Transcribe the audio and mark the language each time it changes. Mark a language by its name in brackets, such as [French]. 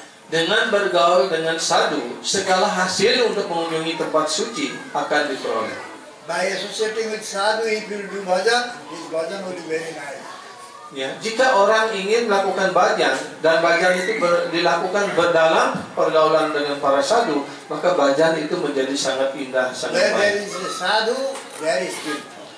[Indonesian] Dengan bergaul dengan sadhu, segala hasil untuk mengunjungi tempat suci akan diperoleh. [English] By associating with sadhu, if you do bhajan, this bhajan will be very nice. [Indonesian] Ya, jika orang ingin melakukan bhajan dan bhajan itu dilakukan berdalam pergaulan dengan para sadhu, maka bhajan itu menjadi sangat indah, sangat baik. [English] Where there is a sadhu, there is tirtha.